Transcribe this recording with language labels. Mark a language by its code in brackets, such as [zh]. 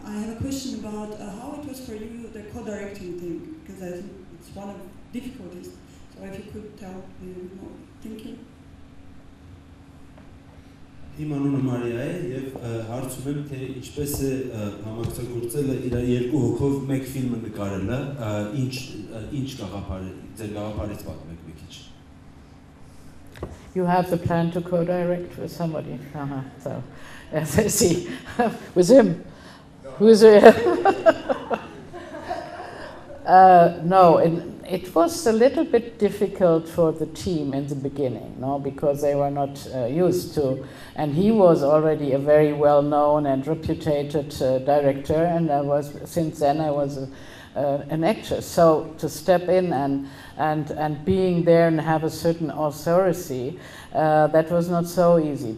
[en] I have a question about how it was for you the co-directing thing, because I think it's one of the difficulties. So if you could tell me more. Thank you. [hy] Իմ անունը Մարիա է եւ հարցում եմ, թե ինչպես է համագործակցելը իր երկու հոգով մեկ ֆիլմը նկարելը, ինչ գաղափար է, ձեր գաղափարից պատմեք մի քիչ։ [en] You have the plan to co-direct with somebody. So as I see with him. Who's it? No, it was a little bit difficult for the team in the beginning, no, because they were not used to, and he was already a very well-known and reputed director, and I was, since then I was an actress, so to step in and being there and have a certain authority, that was not so easy.